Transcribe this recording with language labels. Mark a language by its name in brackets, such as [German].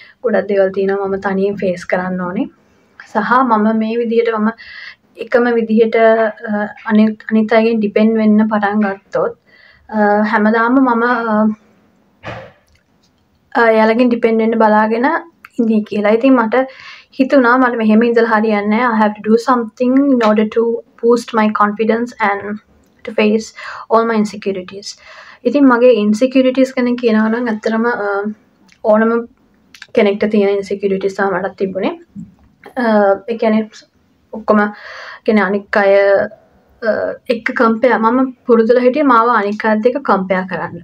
[Sinhala] ගොඩක් දේවල් තියෙනවා මම තනියෙන් ෆේස් කරන්න ඕනේ. සහ මම මේ විදිහට මම එකම විදිහට අනිත් අයගෙන් ඩිපෙන්ඩ් වෙන්න පටන් ගත්තොත් හැමදාම මම එයාලගෙන් ඩිපෙන්ඩ් වෙන්න බලාගෙන ඉඳී කියලා. ඉතින් මට හිතුණා මට මෙහෙම ඉඳලා හරියන්නේ නැහැ. [English] I have to do something in order to boost my confidence and to face all my insecurities. [Sinhala] ඉතින් මගේ insecurities ගැන කියනවා නම් ඇත්තටම ඕනම කෙනෙක්ට තියෙන insecurities තමයි මට තිබුණේ. ඒ කියන්නේ ඔක්කොම කියන්නේ අනික් අය එක්ක compare මම පුරුදුල හිටියේ මාව අනික් අයත් එක්ක compare කරන්න.